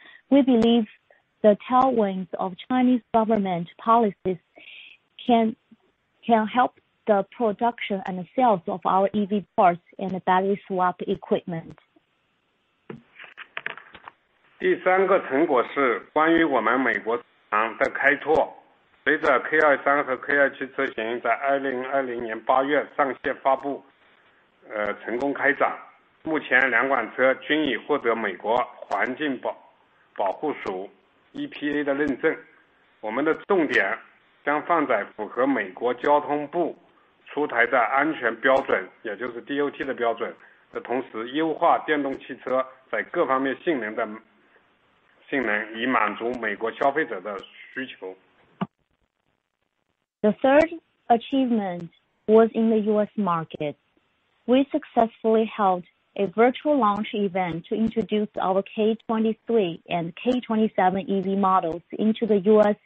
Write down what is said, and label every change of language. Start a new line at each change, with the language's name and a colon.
English: We believe the tailwinds of Chinese government policies can help the production and sales of our EV parts and battery swap equipment.
Chinese: 第三个成果是关于我们美国市场的开拓。随着 K23 和 K27 车型在2020年8月上线发布，成功开展，目前两款车均已获得美国环境保护署 EPA 的认证。我们的重点将放在符合美国交通部出台的安全标准，也就是 DOT 的标准的同时，优化电动汽车在各方面性能，以满足美国消费者的需求。
English: The third achievement was in the U.S. market. We successfully held a virtual launch event to introduce our K23 and K27 EV models into the U.S.